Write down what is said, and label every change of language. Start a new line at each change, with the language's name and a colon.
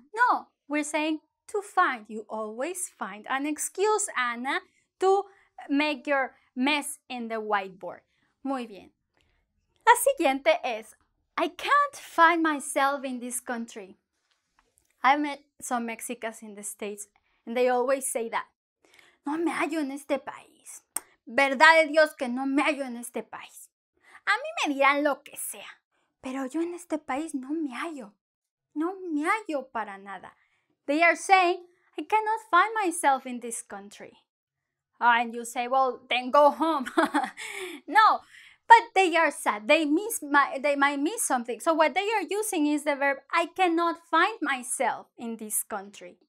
English: No, we're saying to find. You always find an excuse, Anna, to make your mess in the whiteboard.
Spanish: Muy bien. La siguiente es,
English: I can't find myself in this country. I met some Mexicans in the States, and they always say that.
Spanish: No me hallo en este país. Verdad de Dios que no me hallo en este país. A mí me dirán lo que sea, pero yo en este país no me hallo. No me hallo para nada.
English: They are saying, I cannot find myself in this country. And you say, well, then go home. No, but they are sad. They might miss something. So what they are using is the verb, I cannot find myself in this country.